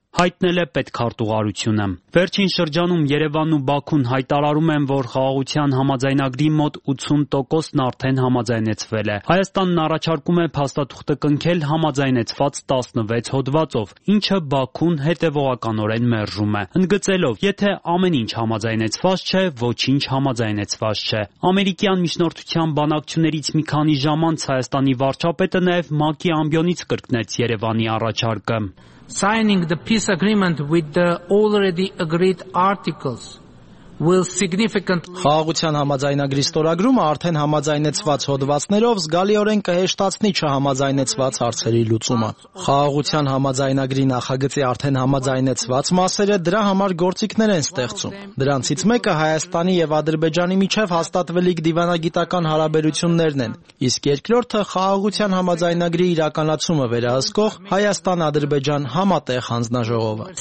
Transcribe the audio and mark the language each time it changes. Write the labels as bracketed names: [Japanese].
[Armenian] Հայտնել է պետքարտուղարությունը։ Վերջին շրջանում Երևանն ու Բաքուն հայտարարում են, որ խաղաղության համաձայնագրի մոտ 80%-ն արդեն համաձայնեցվել է։ Հայաստանն առաջարկում է փաստաթուղթը կնքել համաձայնեցված 16 հոդվածով, ինչը Բաքուն հետևողականորեն մերժում է, ընդգծելով, եթե ամեն ինչ համաձայնեցված չէ, ոչինչ համաձայնեցված չէ։ Ամերիկյան միջնորդության բանակցություններից մի քանի ժամ անց Հայաստանի վարչապետը նաև ՄԱԿ-ի ամբիոնից կրկնեց Երևանի առաջարկը։ [English] Signing the peace agreement with the already agreed articles will significant [Armenian] Խաղաղության համաձայնագրի ստորագրումը արդեն համաձայնեցված հոդվածներով զգալիորեն կհեշտացնի չհամաձայնեցված հարցերի լուծումը։ Խաղաղության համաձայնագրի նախագծի արդեն համաձայնեցված մասերը դրա համար գործիքներ են ստեղծում։ Դրանցից մեկը Հայաստանի և Ադրբեջանի միջև հաստատվելիք դիվանագիտական հարաբերություններն են, իսկ երկրորդը խաղաղության համաձայնագրի իրականացումը վերահսկող Հայաստան-Ադրբեջան համատեղ հանձնաժողովը։